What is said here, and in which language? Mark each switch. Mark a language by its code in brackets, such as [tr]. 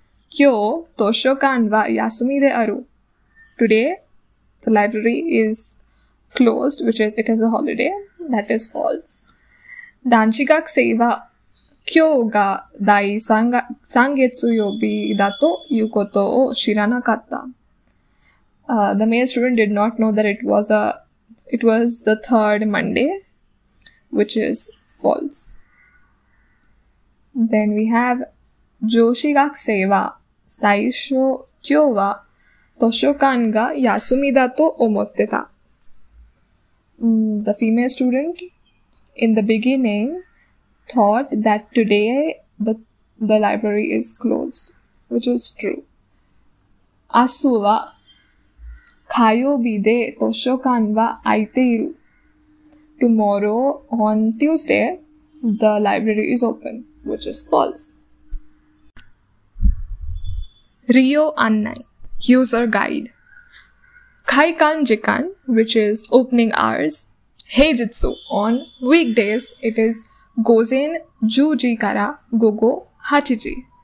[ja] 今日図書館は休みである。 [en] Today, the library is closed, which is, it is a holiday. That is false. [ja] 男子学生は今日が第三月曜日だということを知らなかった。 [en] The male student did not know that it was the third Monday. Which is false. Then we have [ja] 女子学生は最初今日は図書館が休みだと思ってた。 [en] The female student in the beginning thought that today the library is closed, which is true. [ja] 明日は火曜日で図書館は開いている。 [en] Tomorrow, on Tuesday, the library is open, which is false. [ja] Rio Annai, [en] user guide. [ja] Kaikan Jikan, [en] which is opening hours. [ja] Heijitsu, [en] on weekdays, it is [ja] Gozen Juji Kara Gogo Hachiji.